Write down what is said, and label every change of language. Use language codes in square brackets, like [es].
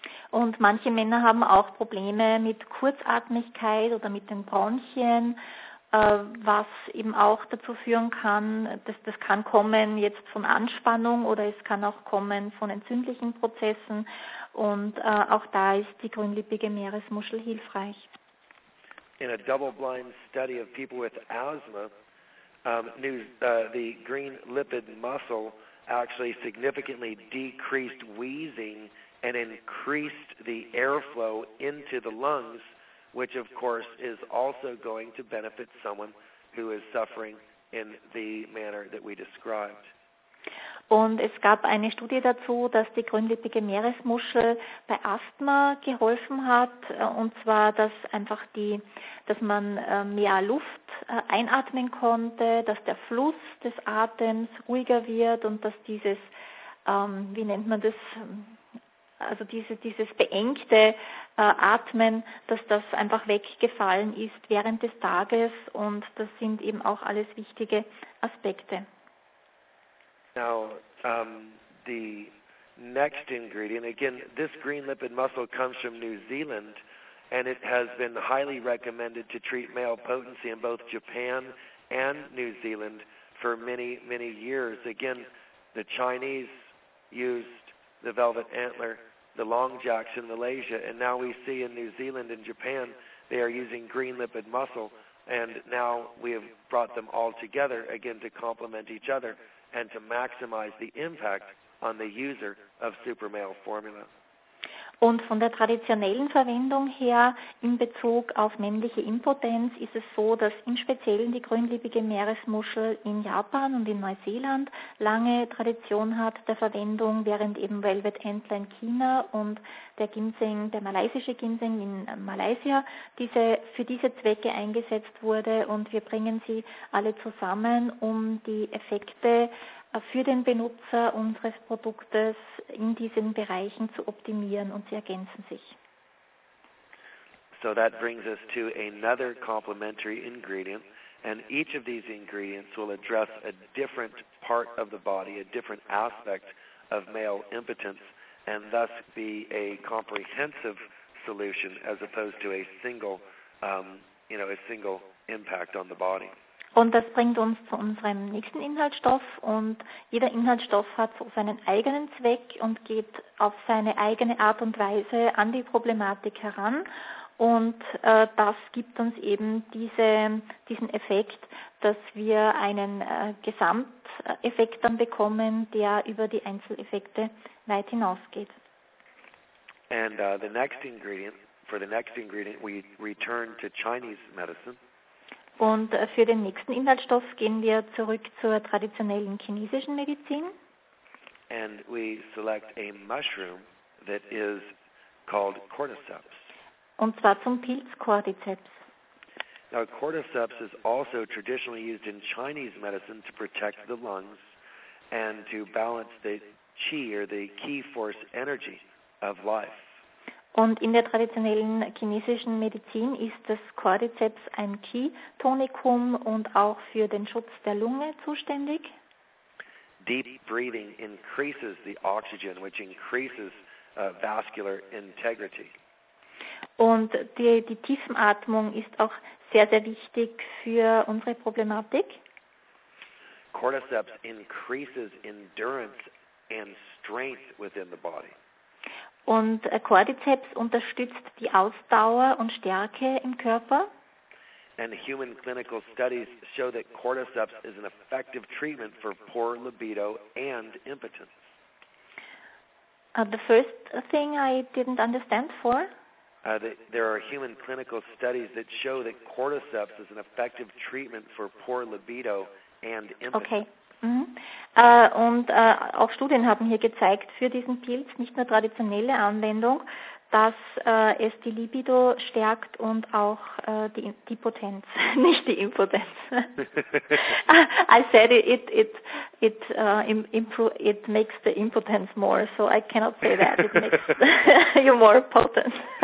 [de] Und manche Männer haben auch Probleme mit Kurzatmigkeit oder mit den Bronchien, was eben auch dazu führen kann, das kann kommen jetzt von Anspannung oder es kann auch kommen von entzündlichen Prozessen. Und auch da ist die grünlippige Meeresmuschel hilfreich. [en] In a double-blind study of people with asthma, the green lipid muscle actually significantly decreased wheezing and increased the airflow into the lungs, which of course is also going to benefit someone who is suffering in the manner that we described. [de] Und es gab eine Studie dazu, dass die grünlippige Meeresmuschel bei Asthma geholfen hat, und zwar, dass einfach dass man mehr Luft einatmen konnte, dass der Fluss des Atems ruhiger wird und dass dieses, wie nennt man das, also dieses beengte Atmen, dass das einfach weggefallen ist während des Tages, und das sind eben auch alles wichtige Aspekte. [en] Now, the next ingredient, again, this green lipid muscle comes from New Zealand, and it has been highly recommended to treat male potency in both Japan and New Zealand for many, many years. Again, the Chinese used the velvet antler, the long jacks in Malaysia, and now we see in New Zealand and Japan, they are using green lipid muscle, and now we have brought them all together, again, to complement each other and to maximize the impact on the user of Supermale formula. [de] Und von der traditionellen Verwendung her in Bezug auf männliche Impotenz ist es so, dass im Speziellen die grünlippige Meeresmuschel in Japan und in Neuseeland lange Tradition hat der Verwendung, während eben Velvet Antler in China und der malaysische Ginseng in Malaysia für diese Zwecke eingesetzt wurde. Und wir bringen sie alle zusammen, um die Effekte für den Benutzer unseres Produktes in diesen Bereichen zu optimieren, und sie ergänzen sich. [en] So that brings us to another complementary ingredient, and each of these ingredients will address a different part of the body, a different aspect of male impotence, and thus be a comprehensive solution as opposed to a single, a single impact on the body. [de] Und das bringt uns zu unserem nächsten Inhaltsstoff, und jeder Inhaltsstoff hat so seinen eigenen Zweck und geht auf seine eigene Art und Weise an die Problematik heran, und das gibt uns eben diesen Effekt, dass wir einen Gesamteffekt dann bekommen, der über die Einzeleffekte weit hinausgeht. [en] And for the next ingredient we return to Chinese medicine. [de] Und für den nächsten Inhaltsstoff gehen wir zurück zur traditionellen chinesischen Medizin. [en] And we select a mushroom that is called cordyceps. [de] Und zwar zum Pilz Cordyceps. [en] Now, cordyceps is also traditionally used in Chinese medicine to protect the lungs and to balance the qi, or the key force energy of life. [de] Und in der traditionellen chinesischen Medizin ist das Cordyceps ein Qi-Tonikum und auch für den Schutz der Lunge zuständig. [en] Deep breathing increases the oxygen, which increases vascular integrity. [de] Und die Tiefenatmung ist auch sehr, sehr wichtig für unsere Problematik. [en] Cordyceps increases endurance and strength within the body. [de] Und Cordyceps unterstützt die Ausdauer und Stärke im Körper. [en] And human clinical studies show that cordyceps is an effective treatment for poor libido and impotence. The first thing I didn't understand for? There are human clinical studies that show that cordyceps is an effective treatment for poor libido and impotence. Okay. Mhm. [de] Und auch Studien haben hier gezeigt, für diesen Pilz, nicht nur traditionelle Anwendung, dass es die Libido stärkt und auch die Potenz, nicht die Impotenz. [en] I said it makes the impotence more, so I cannot say that. It makes you more potent.